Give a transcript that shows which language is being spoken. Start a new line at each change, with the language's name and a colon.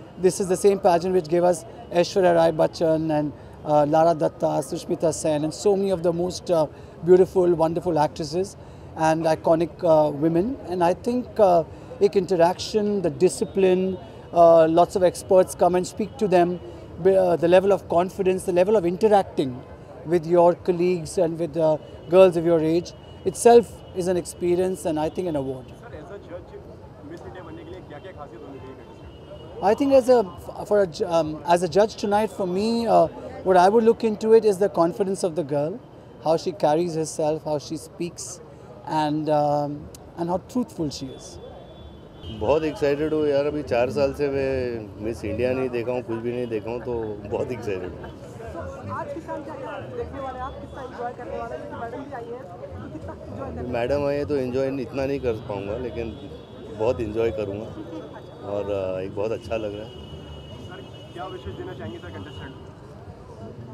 English: This is the same pageant which gave us Aishwarya Rai Bachchan and Lara Dutta, Sushmita Sen and so many of the most beautiful wonderful actresses and iconic women, and I think एक interaction, the discipline, lots of experts come and speak to them, the level of confidence, the level of interacting with your colleagues and with the girls of your age itself is an experience and I think an award. I think as a judge tonight for me, what I would look into it is the confidence of the girl, how she carries herself, how she speaks, and how truthful she is.
Hindi: बहुत excited हूँ यार, अभी 4 साल से मैं miss India नहीं देखा हूँ, कुछ भी नहीं देखा हूँ, तो बहुत एक्साइटेड हूँ। मैडम आई है तो एंजॉय इतना नहीं कर पाऊँगा, लेकिन बहुत एंजॉय करूँगा और एक बहुत अच्छा लग रहा है।